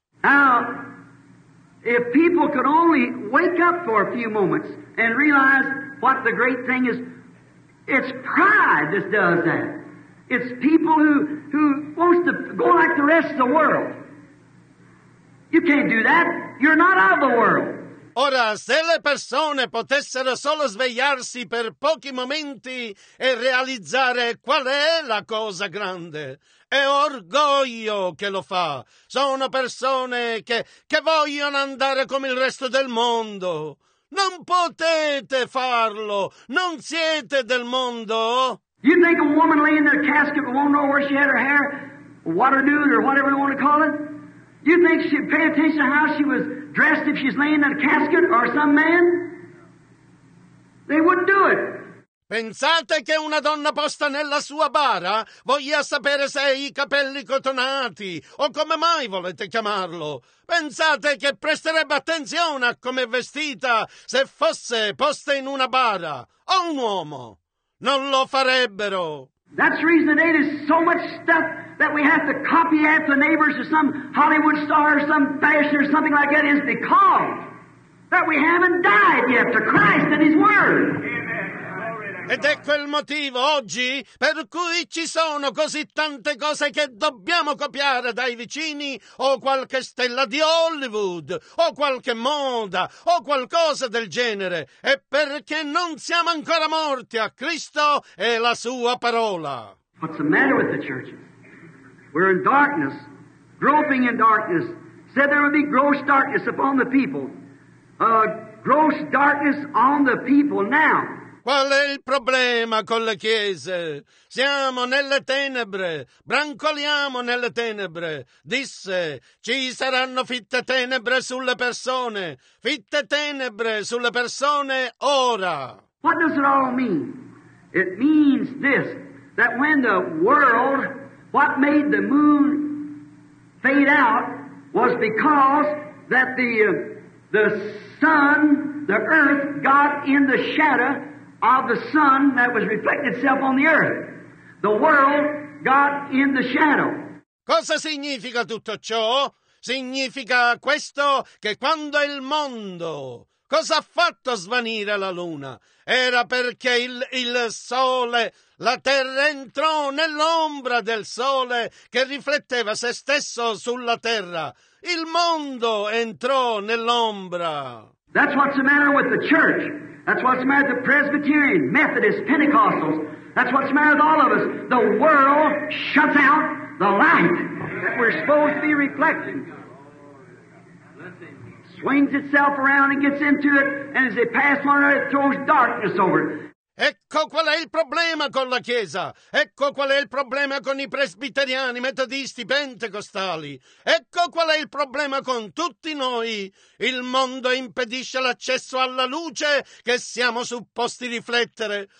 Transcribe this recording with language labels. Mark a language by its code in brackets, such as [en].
[en] Out. If people could only wake up for a few moments and realize what the great thing is, it's pride that does that. It's people who wants to go like the rest of the world. You can't do that. You're not out of the world. [it] Ora, se le persone potessero solo svegliarsi per pochi momenti e realizzare qual è la cosa grande, è orgoglio che lo fa. Sono persone che vogliono andare come il resto del mondo. Non potete farlo! Non siete del mondo? [en] You think a woman laying in a casket won't know where she had her hair, water dude, or whatever you want to call it? You think she'd pay attention to how she was dressed if she's laying in a casket or some man? They wouldn't do it. [it] Pensate che una donna posta nella sua bara voglia sapere se ha i capelli cotonati o come mai volete chiamarlo. Pensate che presterebbe attenzione a come è vestita se fosse posta in una bara o un uomo. Non lo farebbero. [en] That's the reason today there's so much stuff that we have to copy after the neighbors or some Hollywood star or some fashion or something like that is because that we haven't died yet to Christ and His Word. [it] Ed ecco il motivo oggi per cui ci sono così tante cose che dobbiamo copiare dai vicini o qualche stella di Hollywood o qualche moda o qualcosa del genere. È perché non siamo ancora morti a Cristo e la Sua parola. [en] What's the matter with the churches? We're in darkness, groping in darkness. Said there would be gross darkness upon the people. Gross darkness on the people now. [it] Qual è il problema con le chiese? Siamo nelle tenebre, brancoliamo nelle tenebre. Disse, ci saranno fitte tenebre sulle persone. Fitte tenebre sulle persone ora. [en] What does it all mean? It means this, that when the world, what made the moon fade out was because that the sun, the earth, got in the shadow of the sun that was reflecting itself on the earth. The world got in the shadow. [it] Cosa significa tutto ciò? Significa questo che quando il mondo... Cosa ha fatto svanire la luna? Era perché il sole, la terra entrò nell'ombra del sole che rifletteva se stesso sulla terra. Il mondo entrò nell'ombra. [en] That's what's the matter with the church. That's what's the matter with the Presbyterian, Methodist, Pentecostals. That's what's the matter with all of us. The world shuts out the light that we're supposed to be reflecting. Swings itself around and gets into it, and as they pass one another, it throws darkness over it. [it] Ecco qual è il problema con la Chiesa. Ecco qual è il problema con i presbiteriani, metodisti, pentecostali. Ecco qual è il problema con tutti noi. Il mondo impedisce l'accesso alla luce che siamo supposti riflettere.